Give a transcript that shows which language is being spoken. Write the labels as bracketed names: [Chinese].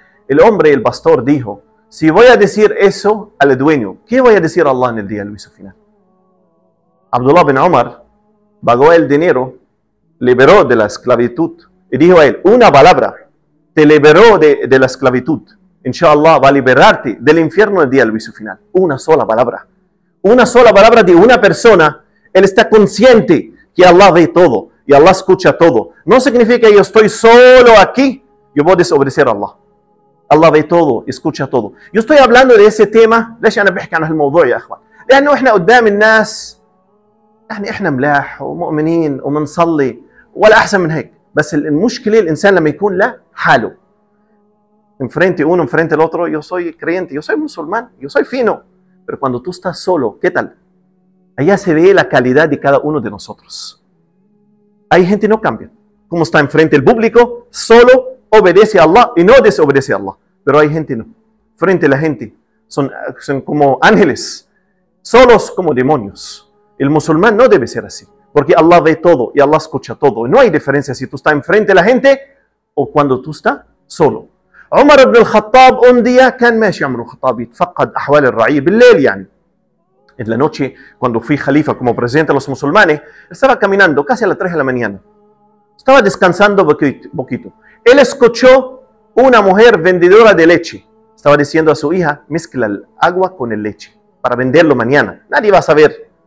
[Spanish] El hombre, el pastor, dijo, si voy a decir eso al dueño, ¿qué voy a decir a Allah en el día del juicio final? Abdullah bin Umar pagó el dinero, liberó de la esclavitud, y dijo a él, una palabra, te liberó de la esclavitud. Inshallah, va a liberarte del infierno el día del juicio final. Una sola palabra. Una sola palabra de una persona, él está consciente que Allah ve todo, y Allah escucha todo. No significa que yo estoy solo aquí, yo voy a desobedecer a Allah. الله ve todo, escucha todo. Yo estoy hablando de ese tema, [Arabic] ليش انا بحكي عن هالموضوع يا اخوان؟ لانه احنا قدام الناس يعني احنا ملاح ومؤمنين وبنصلي ولا احسن من هيك، بس المشكله الانسان لما يكون لحاله. [Spanish] En frente uno, en frente el otro, yo soy creyente, yo soy musulmán, yo soy fino. Pero cuando tú estás solo, ¿qué tal? Allá se ve la calidad de cada uno de nosotros. Hay gente no cambia. ¿Cómo está en frente el público? Solo. Obedece a Allah y no desobedece a Allah. Pero hay gente no. Frente a la gente son como ángeles. Solos como demonios. El musulmán no debe ser así. Porque Allah ve todo y Allah escucha todo. Y no hay diferencia si tú estás enfrente a la gente o cuando tú estás solo. [Arabic] Umar ibn al-Khattab [Spanish] un día [Arabic] كان ماشي عمر الخطاب يتفقد أحوال الرعية بالليل يعني. [Spanish] En la noche cuando fui khalifa como presidente de los musulmanes estaba caminando casi a las 3 de la mañana. Estaba descansando poquito. Él escuchó una mujer vendedora de leche. Estaba diciendo a su hija, mezcla el agua con el leche para venderlo mañana. Nadie va a saber.